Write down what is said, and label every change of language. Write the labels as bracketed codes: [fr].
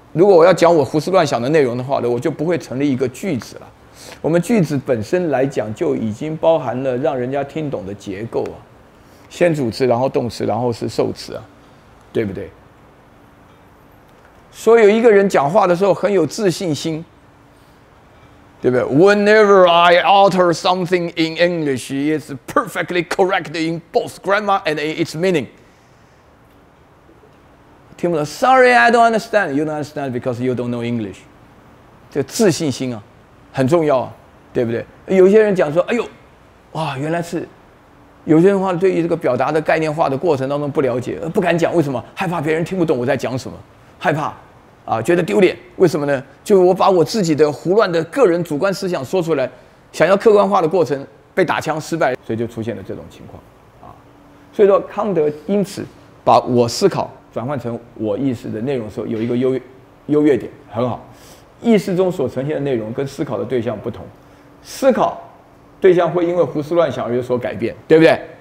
[zh] 如果我要讲我胡思乱想的内容的话呢，我就不会成立一个句子了。我们句子本身来讲，就已经包含了让人家听懂的结构啊，先主词，然后动词，然后是受词啊，对不对？所以有一个人讲话的时候很有自信心。对不对 [en] ？Whenever I utter something in English, it's perfectly correct in both grammar and in its meaning. [zh] 听不懂 [en] ？Sorry, I don't understand. You don't understand because you don't know English. [zh] 这自信心啊，很重要啊，对不对？有些人讲说，哎呦，哇，原来是有些人话对于这个表达的概念化的过程当中不了解，不敢讲，为什么？害怕别人听不懂我在讲什么，害怕。啊，觉得丢脸，为什么呢？就是我把我自己的胡乱的个人主观思想说出来，想要客观化的过程被打枪失败，所以就出现了这种情况，啊，所以说康德因此把我思考转换成我意识的内容的时候，有一个优越点，很好，意识中所呈现的内容跟思考的对象不同，思考对象会因为胡思乱想而有所改变，对不对？